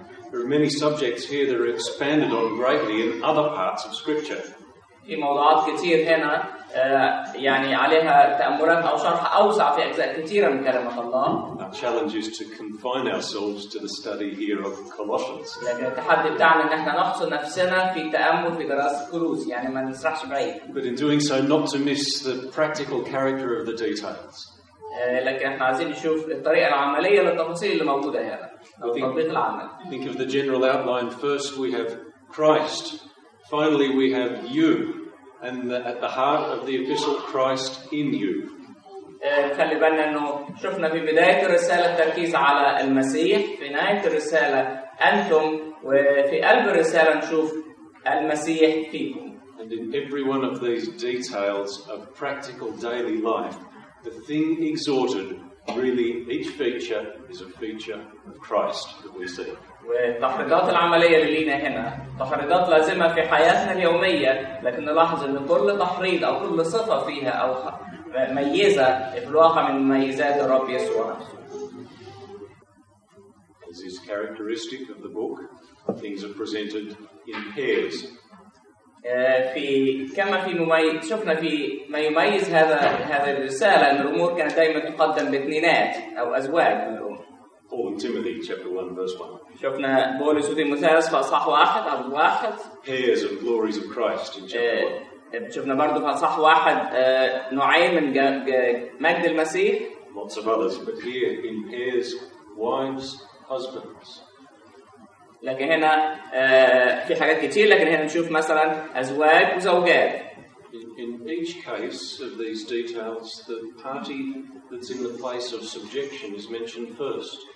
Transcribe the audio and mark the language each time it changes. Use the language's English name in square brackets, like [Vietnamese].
[English] There are many subjects here that are expanded on greatly in other parts of Scripture. [Arabic] في موضوعات كتير هنا يعني عليها تأمرات أو شرح أوسع في أجزاء كثيرة من كلمة الله. [English] Our challenge is to confine ourselves to the study here of Colossians. [Arabic] لكن التحدي بتاعنا إن إحنا نحصر نفسنا في التأمل في دراسة كولوس يعني ما نسرحش بعيد. [English] But in doing so, not to miss the practical character of the details. [Arabic] لكن إحنا عايزين نشوف الطريقة العملية للتفاصيل اللي موجودة هنا. تطبيق العمل. [English] Think of the general outline. First, we have Christ. Finally, we have you, and at the heart of the epistle, Christ in you. [Arabic] خلي بالنا إنه شفنا في بداية الرسالة التركيز على المسيح في نهاية الرسالة أنتم وفي قلب الرسالة نشوف المسيح فيكم. [English] And in every one of these details of practical daily life, the thing exhorted, really each feature is a feature of Christ that we see. [Arabic] والتحريضات العملية اللي لينا هنا تحريضات لازمة في حياتنا اليومية لكن نلاحظ أن كل تحريض أو كل صفة فيها أو ميزة في الواقع من مميزات الرب يسوع. [English] This is characteristic of the book. Things are presented in pairs. [Arabic] في كما في مميز شفنا في ما يميز هذا الرسالة أن الأمور كانت دائما تقدم باثنينات أو أزواج من الأم. [English] Paul in Timothy chapter 1 verse 1. [Arabic] شفنا بولس وتيموثاوس في أصحاح واحد عدد واحد. [English] Pairs of glories of Christ in chapter 1. [Arabic] شفنا برضو في أصحاح واحد نوعين من مجد المسيح. [English] Lots of others, but here in pairs, wives, husbands. [Arabic] لكن هنا في حاجات كتير لكن هنا نشوف مثلا أزواج وزوجات. [English] In each case of these details, the party that's in the place of subjection is mentioned first.